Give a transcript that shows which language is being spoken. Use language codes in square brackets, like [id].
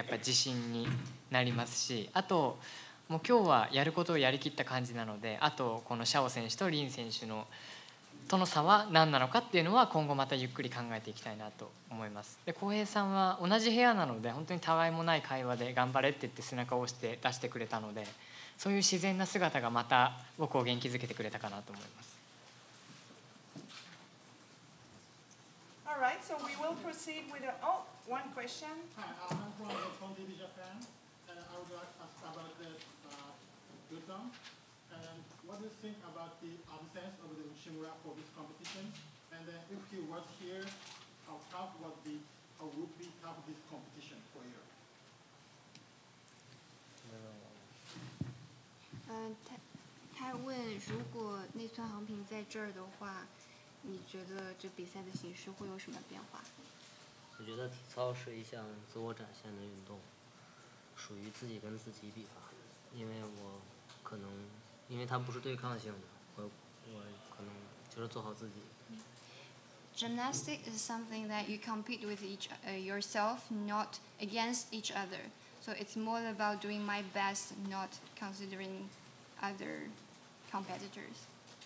[ja] Kohei さんがいないっていう寂しさとか責任感っていうのはすごく感じていて、もう本当に一人で試合をする難しさっていうのを今日一日を通して感じたんですけど、その中でこの演技をできたことはすごくやっぱり自信になりますし、あと、 もう今日はやることをやりきった感じなので、あとこのシャオ選手とリン選手との差は何なのかっていうのは今後またゆっくり考えていきたいなと思います。で、浩平さんは同じ部屋なので、本当にたわいもない会話で頑張れって言って背中を押して出してくれたので、そういう自然な姿がまた僕を元気づけてくれたかなと思います。 [en] All right, so we will proceed with one question. Hi, I'm from Japan. Xiao asked about the Ruoteng. What do you think about the absence of the Uchimura for this competition? And then if he was here, how would we have this competition for you? [zh] 他问如果内存航平在这儿的话，你觉得这比赛的形式会有什么变化？我觉得体操是一项自我展现的运动，属于自己跟自己比吧，因为我可能，因为它不是对抗性的，我可能就是做好自己。Gymnastic [en] is something that you compete with each yourself, not against each other. So it's more about doing my best, not considering other competitors.